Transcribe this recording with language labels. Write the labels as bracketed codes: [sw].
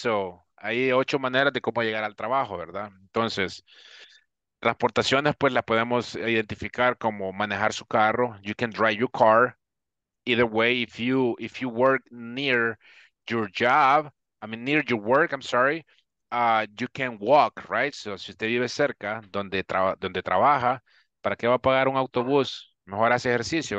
[es] So, hay 8 maneras de cómo llegar al trabajo, ¿verdad? Entonces, transportaciones, pues, las podemos identificar como manejar su carro. [en] You can drive your car. Either way, if you work near your job, I mean, near your work, I'm sorry, you can walk, right? [es] So, si usted vive cerca, donde trabaja, ¿para qué va a pagar un autobús? Mejor hace ejercicio.